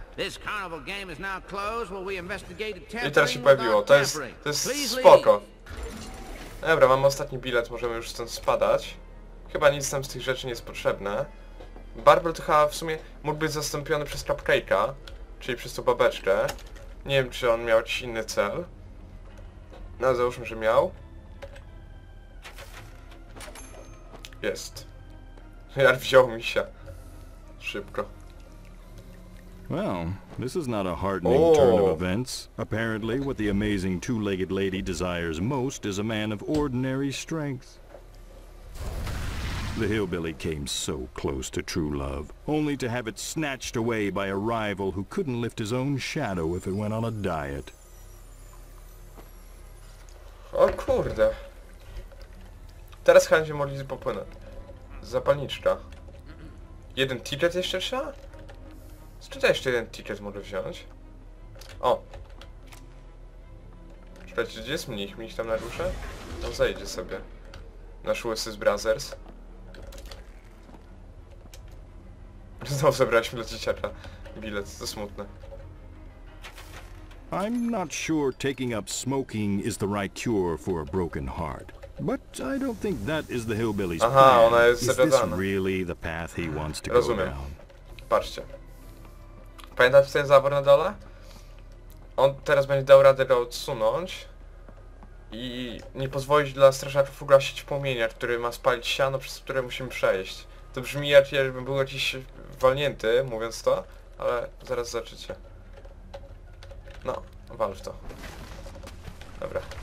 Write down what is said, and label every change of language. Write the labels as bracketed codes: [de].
[en] This carnival game is now closed. Will we investigate the tampering? [pl] I teraz się pojawiło. To jest spoko. Dobra, mamy ostatni bilet, możemy już stąd spadać. Chyba nic tam z tych rzeczy nie jest potrzebne. Barbel to chyba w sumie mógł być zastąpiony przez Cupcake'a, czyli przez tą babeczkę. Nie wiem, czy on miał jakiś inny cel. No, załóżmy, że miał. Jest. Jar wziął mi się. Szybko. [en] Well, this is not a heartening turn of events. Apparently, what the amazing two-legged lady desires most is a man of ordinary strength. The hillbilly came so close to true love, only to have it snatched away by a rival who couldn't lift his own shadow if it went on a diet. [pl] O kurde. Teraz chętnie mogliby popłynąć. Zapalniczka. Jeden ticket jeszcze trzeba? Czytaj, jeszcze jeden ticket mogę wziąć. O! Czekajcie, gdzie jest mnich? Mnich tam na rusze? No zejdzie sobie. Nasz USS Brothers. Znowu zebraliśmy dla dzieciaka bilet, to smutne. [en] I'm not sure taking up smoking is the right cure for a broken heart. But I don't think that is the hillbilly's plan. [pl] Aha, ona jest zagadana. [en] Is this really the path he wants to [pl] Rozumiem. [en] Go down? [pl] Patrzcie. Pamiętacie ten zawór na dole? On teraz będzie dał radę go odsunąć i nie pozwolić dla strażaków ugasić płomienia, który ma spalić siano, przez które musimy przejść. To brzmi jakbym był jakiś walnięty, mówiąc to, ale zaraz zobaczycie. No, wal w to. Dobra.